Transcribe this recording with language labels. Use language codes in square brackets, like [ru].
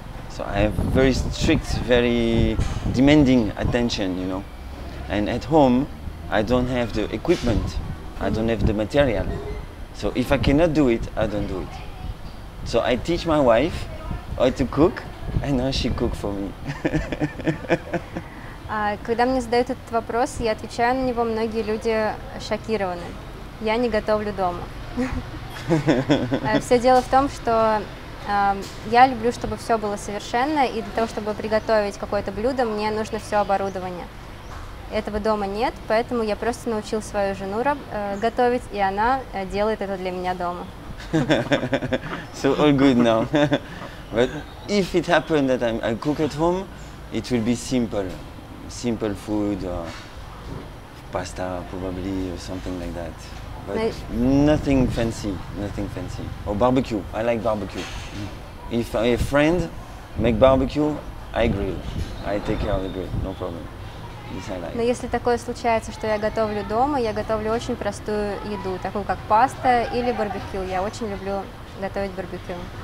[en] So I have very strict, very demanding attention, you know. And at home, I don't have the equipment. I don't have the material. So if I cannot do it, I don't do it. So I teach my wife how to cook, and now she cooks for me. [ru] Когда мне задают этот вопрос, я отвечаю на него, многие люди шокированы. Я не готовлю дома. Все дело в том, что я люблю, чтобы все было совершенно, и для того, чтобы приготовить какое-то блюдо, мне нужно все оборудование. Этого дома нет, поэтому я просто научил свою жену готовить, и она делает это для меня дома. [en] So all good now. But if it happened that I cook at home, it will be simple. Simple food, pasta probably, or something like that. But nothing fancy, nothing fancy. Or barbecue, I like barbecue. If a friend make barbecue, I grill. I take care of the grill, no problem. [ru] Но если такое случается, что я готовлю дома, я готовлю очень простую еду, такую как паста или барбекю. Я очень люблю готовить барбекю.